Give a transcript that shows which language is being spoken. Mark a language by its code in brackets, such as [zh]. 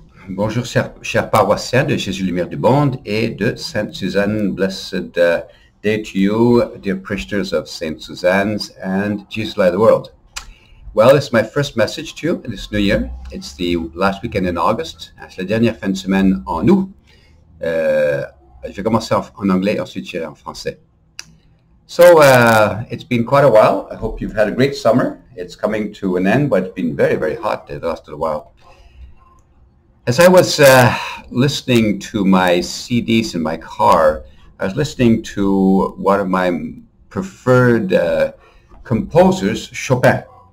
[fr] Bonjour, chers paroissiens de Jésus-Lumière du monde et de Sainte-Suzanne. [en] Blessed day to you, dear preachers of Sainte-Suzanne's and Jesus Light of the World. Well, it's my first message to you in this new year. It's the last weekend in August. [fr] C'est la dernière fin de semaine en août. Je vais commencer en anglais, ensuite j'irai en français. [en] So, it's been quite a while. I hope you've had a great summer. It's coming to an end, but it's been very, very hot the last little while. As I was listening to my CDs in my car, I was listening to one of my preferred composers, Chopin.